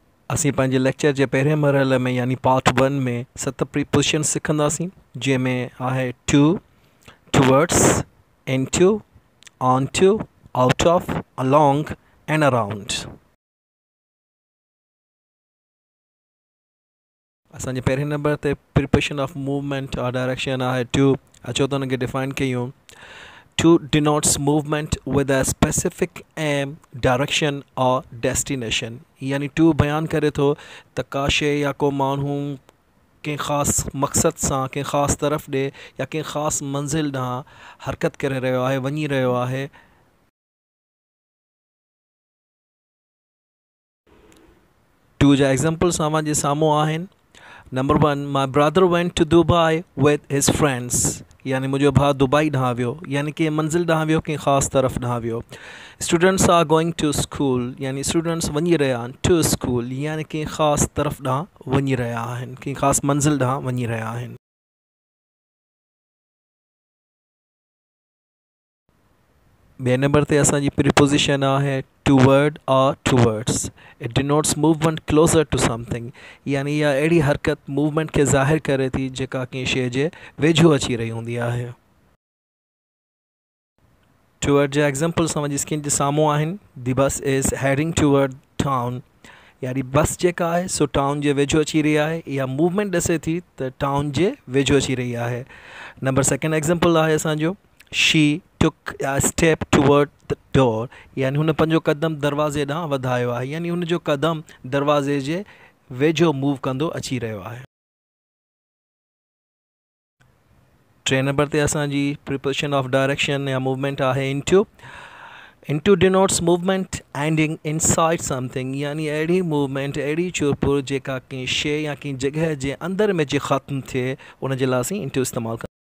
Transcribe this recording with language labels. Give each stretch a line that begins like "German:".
Sindhi: असीं पंहिंजे लेक्चर जे पहिरें मरहले में यानी पार्ट वन में 7 प्रीपोज़िशन सिखंदासीं, जंहिंमें आहे two, towards, into, onto, out of, along and around. असांजे पहिरें नंबर ते preposition of movement R direction आहे टू. अचो त हुनखे डिफाइन कयूं.
English: To denotes movement with a specific aim, direction or destination.
Sindhi: यानी टू बयानु करे थो त का शइ या को माण्हू कंहिं ख़ासि मक़सद सां, कंहिं ख़ासि तरफ़ ॾे या कंहिं ख़ासि मंज़िल ॾांहुं हरकत करे रहियो आहे, वञी रहियो आहे. टू जा एग्ज़ाम्पल्स अव्हांजे साम्हूं आहिनि.
English: Number one, my brother went to Dubai with his friends.
Sindhi: यानी मुंहिंजो भाउ दुबई ॾांहुं वियो, यानी कंहिं मंज़िल ॾांहुं वियो, कंहिं ख़ासि तरफ़ ॾांहुं वियो.
English: Students are going to school.
Sindhi: यानी स्टूडेंट्स वञी रहिया आहिनि टू स्कूल, यानी कंहिं ख़ासि तरफ़ ॾांहुं वञी रहिया आहिनि, कंहिं ख़ासि मंज़िल ॾांहुं वञी रहिया आहिनि. ॿिए नंबर ते असांजी प्रीपोज़िशन आहे toward R towards.
English: It denotes movement closer to something.
Sindhi: यानी इहा अहिड़ी हरकत मूवमेंट खे ज़ाहिर करे थी जेका कंहिं शइ जे वेझो अची रही हूंदी आहे. टूवर्ड जा एग्ज़ाम्पल असांजी स्क्रीन जे साम्हूं आहिनि.
English: The bus is heading toward town.
Sindhi: यानी बस जेका आहे सो टाउन जे वेझो अची रही आहे. इहा मूवमेंट ॾिसे थी त टाउन जे वेझो अची रही आहे. नंबर सेकेंड एग्ज़ाम्पल आहे असांजो,
English: She took a step toward the door.
Sindhi: यानी हुन पंहिंजो क़दम दरवाज़े ॾांहुं वधायो आहे. यानी हुनजो क़दम दरवाज़े जे वेझो मूव कंदो अची रहियो आहे. टे नंबर ते असांजी प्रिपोज़िशन ऑफ डायरेक्शन या मूवमेंट आहे into.
English: Into denotes movement ending inside something.
Sindhi: यानी अहिड़ी मूवमेंट, अहिड़ी चुरपुर जेका कंहिं शइ या कंहिं जॻह जे अंदरि में जे ख़त्मु थिए, उनजे लाइ असीं इनटू इस्तेमालु कंदा.